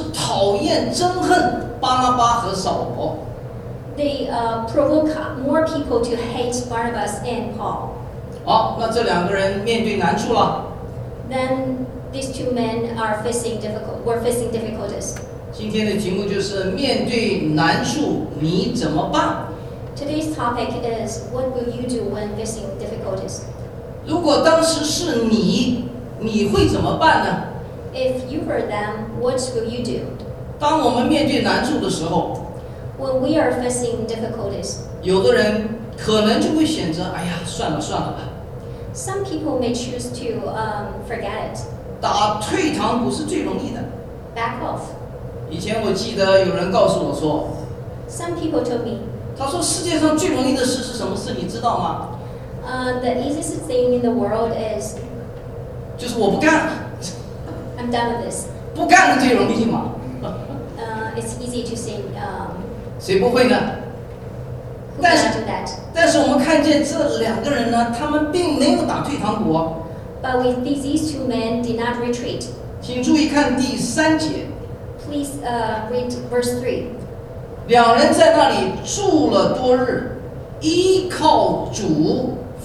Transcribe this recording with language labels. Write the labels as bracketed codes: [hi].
[zh] 但是他们还这个挑拨，鼓动更多的人呢来恼恨，就是讨厌、憎恨巴拿巴和扫罗。 [en] They provoke more people to hate Barnabas and Paul. [zh] 好，那这两个人面对难处了。 [en] Then these two men are facing difficulties. [zh] 今天的题目就是面对难处你怎么办？ [en] Today's topic is what will you do when facing difficulties? [zh] 如果当时是你，你会怎么办呢？ [en] If you were them, what will you do? [zh] 当我们面对难处的时候， [en] When we are facing difficulties, [zh] 有的人可能就会选择，哎呀，算了算了吧。 [en] Some people may choose to forget it. [zh] 打退堂鼓是最容易的。 [en] Back off. [zh] 以前我记得有人告诉我说， [en] Some people told me, [zh] 他说世界上最容易的事是什么事，你知道吗？ [en] The easiest thing in the world is [zh] 就是我不干了。 [en] I'm done with this. [zh] 不干了最容易嘛。 [en] It's easy to say [zh] 谁不会呢？ [en] Who can do that? [zh] 但是我们看见这两个人呢，他们并没有打退堂鼓。 [en] But these two men did not retreat. [zh] 请注意看第三节。 [en] Please read verse 3. [zh] 两人在那里住了多日，依靠主。